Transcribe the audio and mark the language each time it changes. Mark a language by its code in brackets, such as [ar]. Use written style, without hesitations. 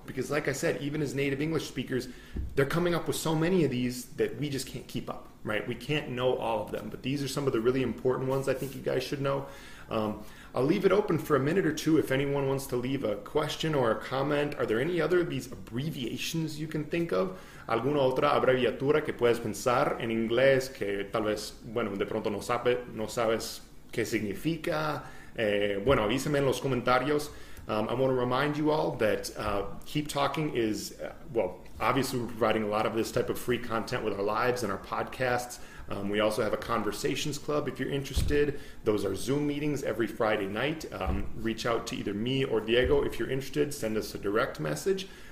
[en] Because like I said, even as native English speakers, they're coming up with so many of these that we just can't keep up, right? We can't know all of them. But these are some of the really important ones I think you guys should know. I'll leave it open for a minute or two if anyone wants to leave a question or a comment. Are there any other of these abbreviations you can think of? [es] ¿Alguna otra abreviatura que puedes pensar en inglés que tal vez, bueno, de pronto no sabes qué significa? Bueno, avísame en los comentarios. [en] I want to remind you all that Keep Talking is, well, obviously we're providing a lot of this type of free content with our lives and our podcasts. We also have a Conversations Club if you're interested. Those are Zoom meetings every Friday night. Reach out to either me or Diego if you're interested. Send us a direct message.